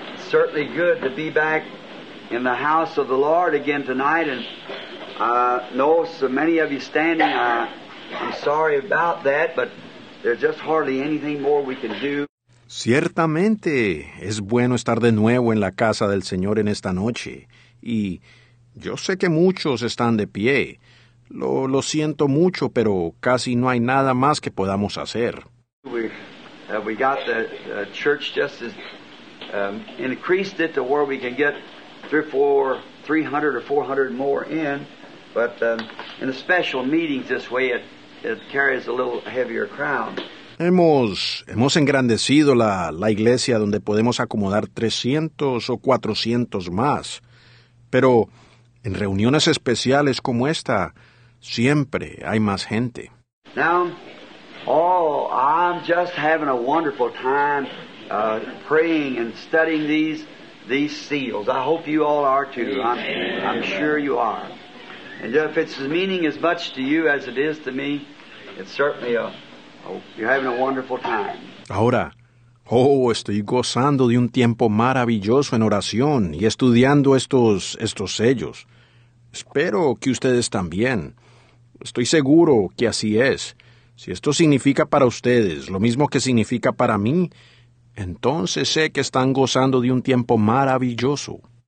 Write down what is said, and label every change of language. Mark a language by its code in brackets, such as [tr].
[en] Certainly good to be back in the house of the Lord again tonight, and I know so many of you standing. I'm sorry about that, but there's just hardly anything more we can do. [es] Ciertamente, es bueno estar de nuevo en la casa del Señor en esta noche. Y yo sé que muchos están de pie. Lo siento mucho, pero casi no hay nada más que podamos hacer. [en] We got the church just as increased it to where we can get 300 or 400 more in. But in the special meetings this way, it carries a little heavier crowd. [es] Hemos engrandecido la iglesia donde podemos acomodar 300 o 400 más. Pero en reuniones especiales como esta, siempre hay más gente. [en] Now, I'm just having a wonderful time praying and studying these seals. I hope you all are too. I'm sure you are. And if it's meaning as much to you as it is to me, it's certainly you're having a wonderful time. [es] Ahora, estoy gozando de un tiempo maravilloso en oración y estudiando estos sellos. Espero que ustedes también. Estoy seguro que así es. Si esto significa para ustedes lo mismo que significa para mí, entonces sé que están gozando de un tiempo maravilloso.